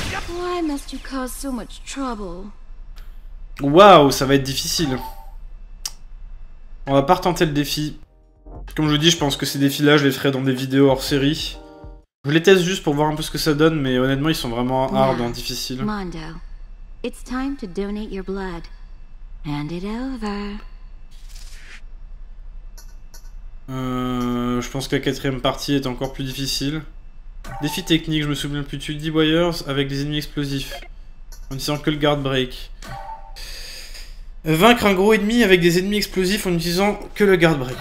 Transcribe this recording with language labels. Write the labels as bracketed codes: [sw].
[en] Why must you cause so much trouble? [fr] Waouh, ça va être difficile. On va pas retenter le défi. Comme je vous dis, je pense que ces défis-là, je les ferai dans des vidéos hors série. Je les teste juste pour voir un peu ce que ça donne, mais honnêtement, ils sont vraiment hard, hein, difficiles. [en] Mondo, it's time to donate your blood. Hand it over. [fr] Je pense que la quatrième partie est encore plus difficile. Défi technique, je me souviens plus. Tudy Wires avec des ennemis explosifs. En utilisant que le guard break. Vaincre un gros ennemi avec des ennemis explosifs en n'utilisant que le guard break.